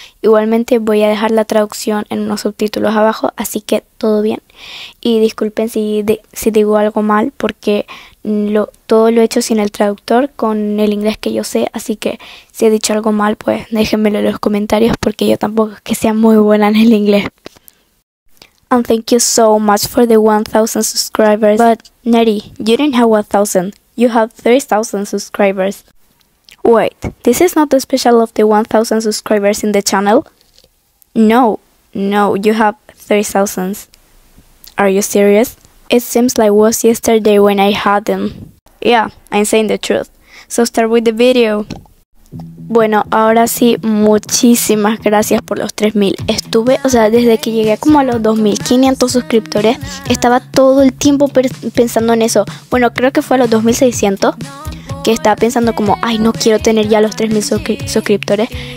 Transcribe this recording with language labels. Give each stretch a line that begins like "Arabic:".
Spanish: Igualmente voy a dejar la traducción en unos subtítulos abajo, así que todo bien. Y disculpen si digo algo mal, porque todo lo he hecho sin el traductor, con el inglés que yo sé, así que si he dicho algo mal, pues déjenmelo en los comentarios, porque yo tampoco es que sea muy buena en el inglés.
English: And thank you so much for the 1,000 subscribers. But, Neri, you didn't have 1,000. You have 3,000 subscribers. Wait, this is not the special of the 1,000 subscribers in the channel? No, no, you have 3,000. Are you serious? It seems like it was yesterday when I had them. Yeah, I'm saying the truth. So start with the video.
Spanish: Bueno, ahora sí, muchísimas gracias por los 3000. Estuve, o sea, desde que llegué como a los 2500 suscriptores, estaba todo el tiempo pensando en eso. Bueno, creo que fue a los 2600 que estaba pensando como, ay, no quiero tener ya los 3000 suscriptores.